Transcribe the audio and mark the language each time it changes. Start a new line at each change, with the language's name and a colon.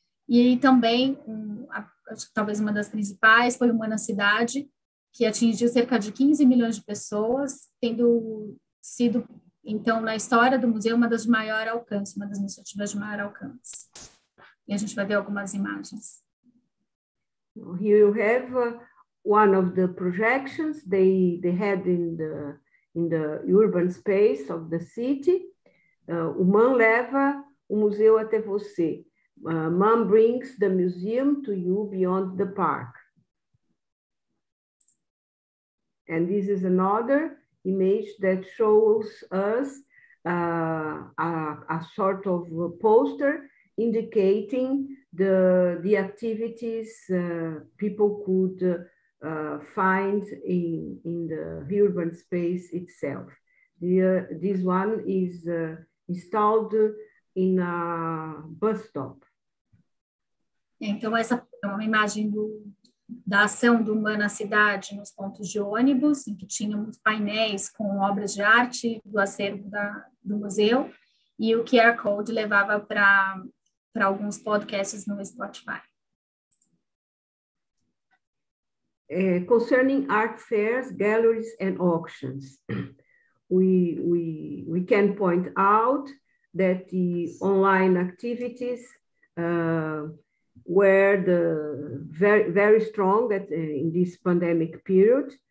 Portuguese: E também, acho que talvez uma das principais, foi o MAM na Cidade, que atingiu cerca de 15 milhões de pessoas, tendo sido, então, na história do museu, uma das de maior alcance, uma das iniciativas de maior alcance. E a gente vai ver algumas imagens.
English: Here you have one of the projections they had in the urban space of the city.
Portuguese: O MAM leva o museu até você.
English: MAM brings the museum to you beyond the park. And this is another image that shows us a sort of a poster indicating the activities people could find in the urban space itself. This one is installed in a bus stop.
Portuguese: Então, essa é uma imagem da ação do Humã na cidade nos pontos de ônibus, em que tínhamos painéis com obras de arte do acervo do museu, e o QR Code levava para alguns podcasts no Spotify.
English: Concerning art fairs, galleries and auctions, we can point out that the online activities were the very strong that in this pandemic period.